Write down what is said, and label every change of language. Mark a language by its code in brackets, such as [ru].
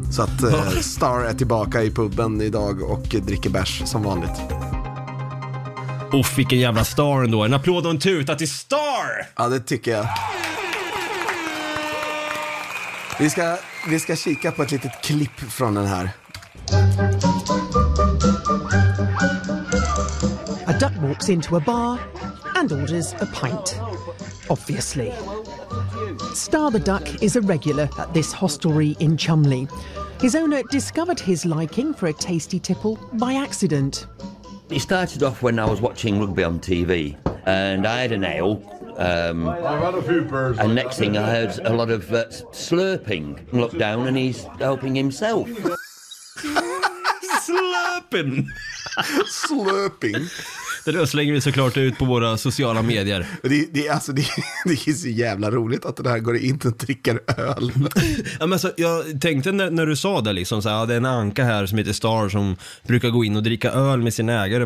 [sv] Så att Star är tillbaka i puben idag och dricker bärs som vanligt. Och vilken jävla Star ändå. En applåd och en tuta till Star! Ja, det tycker jag. Vi ska kika på ett litet klipp från den här. [en] A duck walks into a bar and orders a pint. Obviously. Star the Duck is a regular at this hostelry in Chumley. His owner discovered his liking for a tasty tipple by accident. It started off when I was watching rugby on TV and I had an ale. I've had a few birds. And next thing I heard a lot of slurping. Look down and he's helping himself. Slurping! Slurping! [sv] Det slänger vi såklart ut på våra sociala medier. Det är så jävla roligt att det här går in och dricker öl. Ja, men så, jag tänkte när du sa det, liksom, så här, ja, det är en Anka här som heter Star som brukar gå in och dricka öl med sin ägare.